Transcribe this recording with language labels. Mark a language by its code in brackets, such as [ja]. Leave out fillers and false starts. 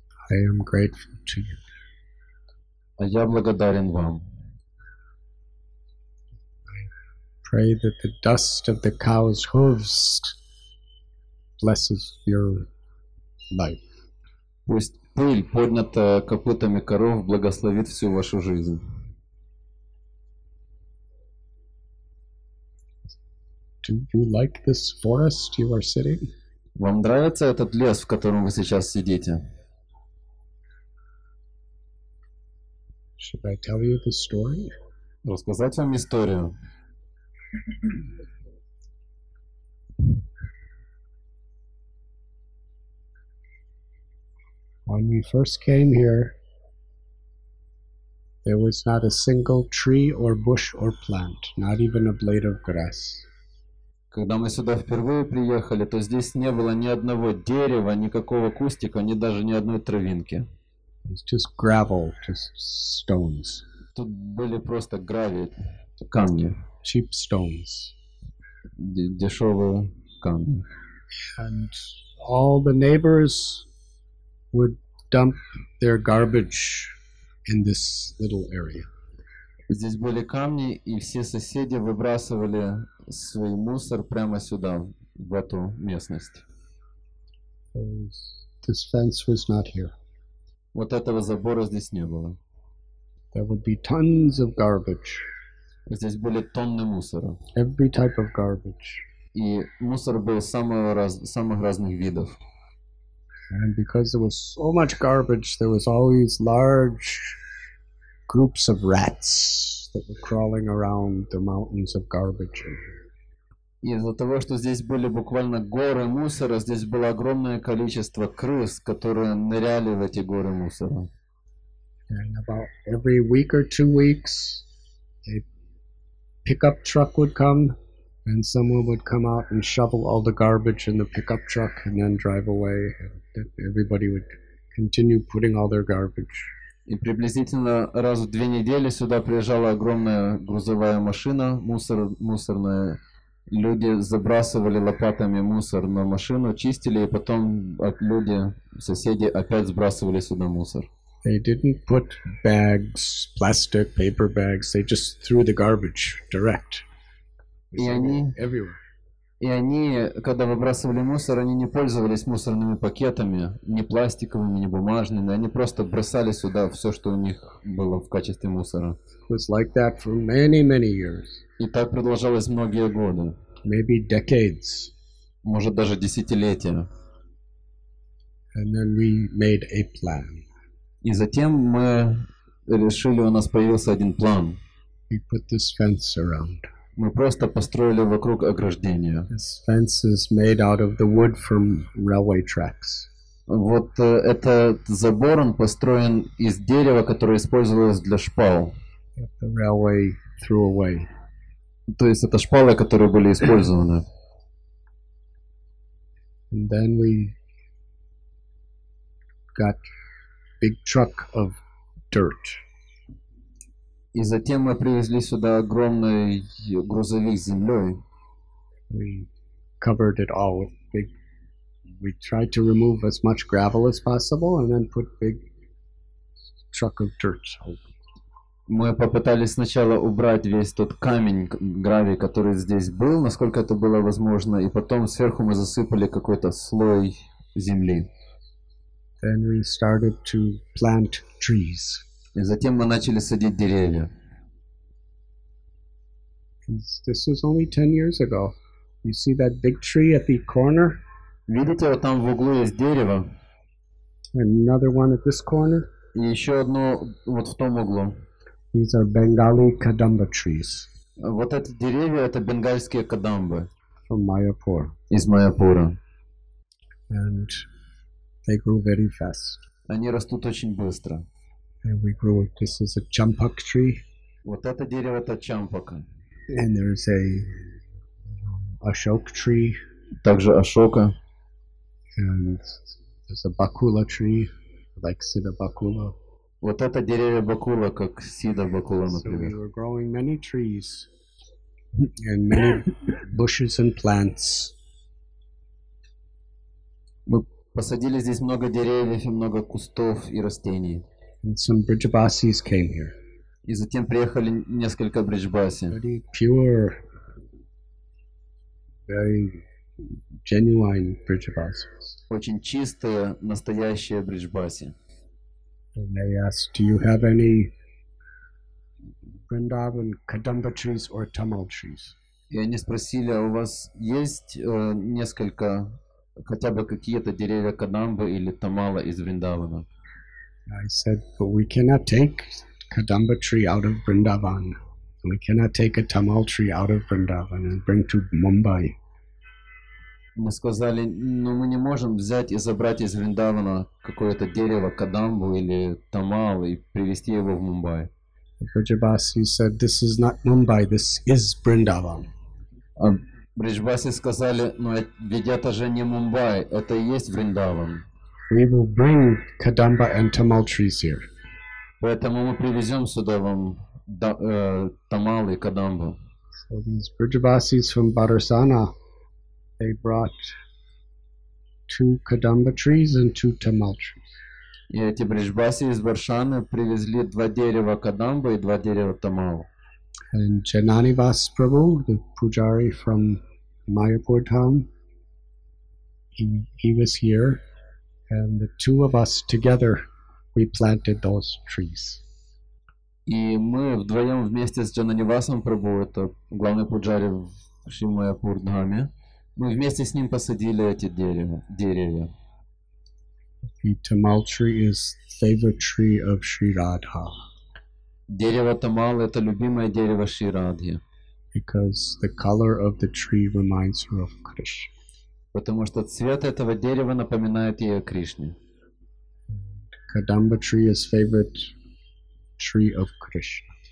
[en] I am grateful to you. [ru] Я благодарен вам. [en] Pray that the dust of the cow's hooves blesses your life. [ru] Пусть пыль, поднятая копытами коров, благословит всю вашу жизнь. [en] Do you like this forest you are sitting? [ru] Вам нравится этот лес, в котором вы сейчас сидите? [en] Should I tell you the story? [ru] Рассказать вам историю? [en] When we first came here, there was not a single tree or bush or plant, not even a blade of grass. [ru] Когда мы сюда впервые приехали, то здесь не было ни одного дерева, никакого кустика, ни даже ни одной травинки. [en] It's just gravel, just stones. [ru] Тут были просто гравий, камни. [en] Cheap stones. [ru] Дешевые камни. [en] And all the neighbors would dump their garbage in this little area. [ru] Здесь были камни, и все соседи выбрасывали свой мусор прямо сюда, в эту местность. [en] This fence was not here. [ru] Вот этого забора здесь не было. [en] There would be tons of garbage. [ru] Здесь были тонны мусора. [en] Every type of garbage. [ru] И мусор был самых разных видов. [en] And because there was so much garbage, there was always large groups of rats that were crawling around the mountains of garbage. [ru] И из-за того, что здесь были буквально горы мусора, здесь было огромное количество крыс, которые ныряли в эти горы мусора. [en] And about every week or 2 weeks, a pickup truck would come, and someone would come out and shovel all the garbage in the pickup truck and then drive away. Everybody would continue putting all their garbage. [ru] И приблизительно раз в 2 недели сюда приезжала огромная грузовая машина, мусорная. Люди забрасывали лопатами мусор на машину, чистили, и потом люди, соседи, опять сбрасывали сюда мусор. [en] They didn't put bags, plastic, paper bags. They just threw the garbage direct. Everywhere. [ru] И они, когда выбрасывали мусор, они не пользовались мусорными пакетами, ни пластиковыми, ни бумажными. Они просто бросали сюда все, что у них было в качестве мусора. [en] It was like that for many, many years. [ru] И так продолжалось многие годы. [en] Maybe decades. [ru] Может, даже десятилетия. [en] And then we made a plan. [ru] И затем мы решили, у нас появился один план. [en] We put this fence around. [ru] Мы просто построили вокруг ограждение. [en] This fence is made out of the wood from railway tracks. [ru] Вот этот забор, он построен из дерева, которое использовалось для шпал. [en] That the railway threw away. [ru] То есть это шпалы, которые были использованы. [en] And then we got big truck of dirt. [ru] И затем мы привезли сюда огромный грузовик с землей. [en] We covered it all with big. We tried to remove as much gravel as possible, and then put big truck of dirt. [ru] Мы попытались сначала убрать весь тот камень, гравий, который здесь был, насколько это было возможно, и потом сверху мы засыпали какой-то слой земли. [en] Then we started to plant trees. [ru] И затем мы начали садить деревья. [en] This was only 10 years ago. You see that big tree at the corner? [ru] Видите, вот там в углу есть дерево. [en] And another one at this corner. [ru] И еще одно вот в том углу. [en] These are Bengali kadamba trees. [ru] Вот эти деревья — это бенгальские кадамбы. [en] From Mayapur. [ru] Из Майяпура. [en] And they grew very fast. [ru] Они растут очень быстро. [en] And we grew. This is a champak tree. [ru] Вот это дерево — это champaka. [en] And there is a ashok tree. [ru] Также ашока. [en] And there's a bakula tree, like sida bakula. [ru] Вот это деревья бакула, как сида бакула, например. [en] So we were growing many trees and many bushes and plants. [ru] Мы посадили здесь много деревьев и много кустов и растений. [en] And some Brijabasis came here. [ru] И затем приехали несколько Брижбаси. [en] Very pure, very genuine Brijabasis. [ru] Очень чистые, настоящие Брижбаси. [en] And they asked, do you have any Vrindavan kadamba trees or tamal trees? [ru] И они спросили, у вас есть несколько, хотя бы какие-то деревья кадамбы или тамала из Вриндавана? [en] I said, but we cannot take kadamba tree out of Vrindavan. We cannot take a tamal tree out of Vrindavan and bring to Mumbai. [ru] Мы сказали, но мы не можем взять и забрать из Вриндавана какое-то дерево, кадамбу или тамал, и привезти его в Мумбай. [en] Бриджбаси said, this is not Mumbai, this is Vrindavan. [ru] Бриджбаси сказали, но ведь это же не Мумбай, это и есть Вриндаван. [en] We will bring kadamba and tamal trees here. [ru] Поэтому мы привезем сюда вам тамал и кадамбу. [en] So these Brijabasis from Barasana, they brought 2 kadamba trees and 2 tamal trees. [ru] И эти Брижбаси из Баршаны привезли 2 дерева кадамбы и 2 дерева тамал. [en] And Jananivas Prabhu, the pujari from Mayapur town, he was here, and the two of us together, we planted those trees. [ru] И мы вдвоем вместе с Джона Нивасом Прабу, это главный пуджари в Шимаяпур-дхаме, мы вместе с ним посадили эти деревья. [en] The tamal tree is favorite tree of Sri Radha. [ru] Дерево тамал — это любимое дерево Шри Радхи. [en] Because the color of the tree reminds her of Krishna. [ru] Потому что цвет этого дерева напоминает ей о Кришне. [en] Kadamba tree is favorite tree of Krishna.